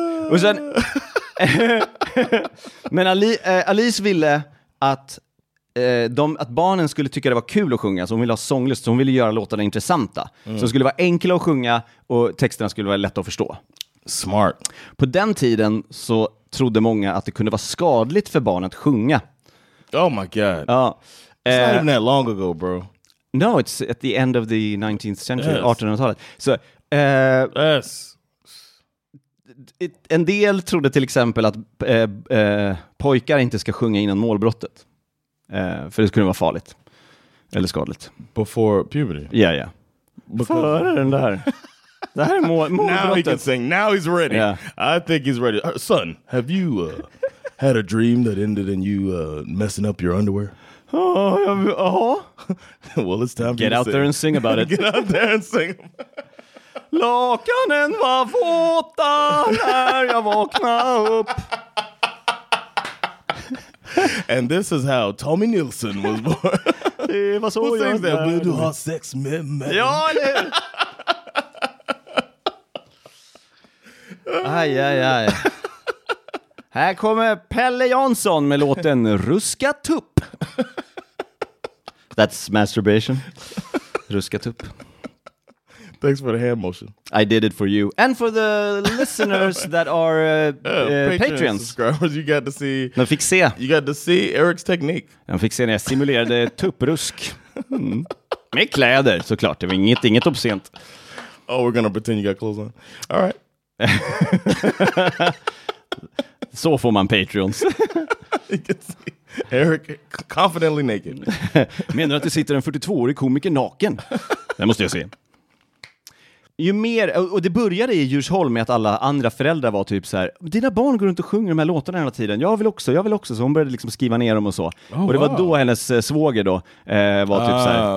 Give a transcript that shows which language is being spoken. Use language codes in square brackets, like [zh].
[sv] Och sen men Alice ville att barnen skulle tycka det var kul att sjunga. Så hon ville ha sånglust, så hon ville göra låtarna intressanta. Mm. Så det skulle vara enkla att sjunga och texterna skulle vara lätta att förstå. Smart. På den tiden så trodde många att det kunde vara skadligt för barn att sjunga. [en] Oh my god. [sv] Ja. [en] It's not even that long ago, bro. No, it's at the end of the 19th century, yes. [sv] 1800-talet. [en] So, yes. [sv] En del trodde till exempel att pojkar inte ska sjunga innan målbrottet. För det skulle vara farligt eller skadligt. [en] Before puberty. [sv] Ja, yeah, ja. Yeah. Före den där. Det här är målbrottet. [en] Now he can sing. Now he's ready. Yeah. I think he's ready. Son, have you had a dream that ended in you messing up your underwear? Well, it's time get for you out sing. There and sing about it. Get out there and sing. [sv] Lakanen var våta när jag vaknade upp. [en] And this is how Tommy Nielsen was born. [sv] Det var så [en] who sings that? We do our sex [sv] med men. Ja, det är aj, aj, aj. Här kommer Pelle Jansson med låten Ruska Tupp. [en] That's masturbation. [sv] Ruskat upp. [en] Thanks for the hand motion. I did it for you. And for the listeners that are patrons. Subscribers, you got to see. [sv] Jag fick se. [en] You got to see Eric's technique. [sv] Jag fick se när jag simulerade tupprusk. Med kläder, såklart. Det var inget obscent. [en] Oh, we're gonna pretend you got clothes on. All right. [sv] Så får man patrons. [en] Eric, confidently naked. [sv] Menar att det sitter en 42-årig komiker naken? Det måste jag se. Ju mer, och det började i Djursholm med att alla andra föräldrar var typ så här: dina barn går runt och sjunger de här låtarna hela tiden. Jag vill också. Så hon började liksom skriva ner dem och så. [en] Oh, [sv] och det [en] wow. [sv] var då hennes svåger då var typ så här,